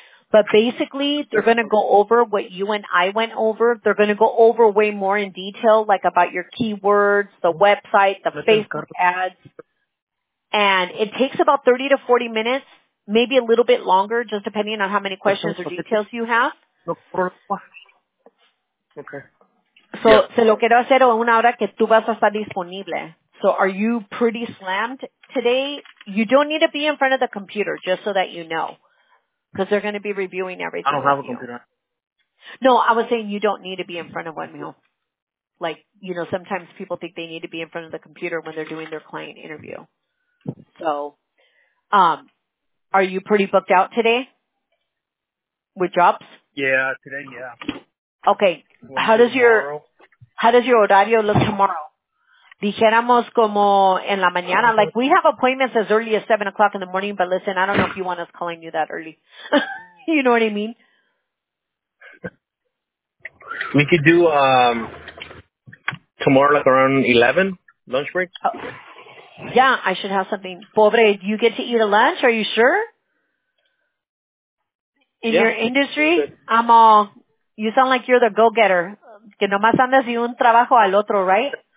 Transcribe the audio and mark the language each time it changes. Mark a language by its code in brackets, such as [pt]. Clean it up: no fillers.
[en] But basically, they're going to go over what you and I went over. They're going to go over way more in detail, like about your keywords, the website, the Facebook ads. And it takes about 30 to 40 minutes, maybe a little bit longer, just depending on how many questions or details you have. Okay. [es] Se lo quiero hacer una hora que tú vas a estar disponible. [en] So, are you pretty slammed today? You don't need to be in front of the computer, just so that you know. Because they're going to be reviewing everything. I don't have a you. Computer. No, I was saying you don't need to be in front of one meal. Like, you know, sometimes people think they need to be in front of the computer when they're doing their client interview. So, are you pretty booked out today with jobs? Yeah, today, yeah. Okay. How does your horario look tomorrow? [es] Dijéramos como en la mañana, [en] like we have appointments as early as 7 o'clock in the morning, but listen, I don't know if you want us calling you that early. You know what I mean? We could do tomorrow like around 11, lunch break. Oh. Yeah, I should have something. [es] Pobre, [en] do you get to eat a lunch? Are you sure? In yeah, your industry, I'm all, you sound like you're the go-getter. [es] Que nomás andas de un trabajo al otro, [en] right?